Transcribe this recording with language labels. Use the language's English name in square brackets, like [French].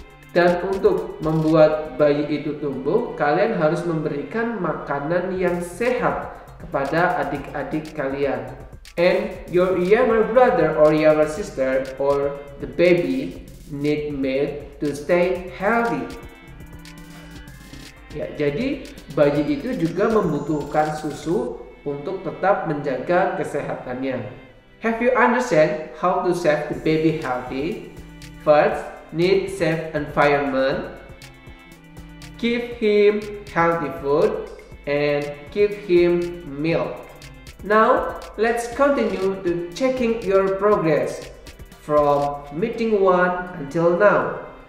[Indonesian] Dan untuk membuat bayi itu tumbuh, kalian harus memberikan makanan yang sehat kepada adik-adik kalian. [English] And your younger brother or younger sister or the baby need meat to stay healthy. [Indonesian] Ya, jadi bayi itu juga membutuhkan susu untuk tetap menjaga kesehatannya. [English] Have you understand how to save the baby healthy? First, need safe environment. Give him healthy food and give him milk. Now, let's continue to checking your progress from meeting 1 until now.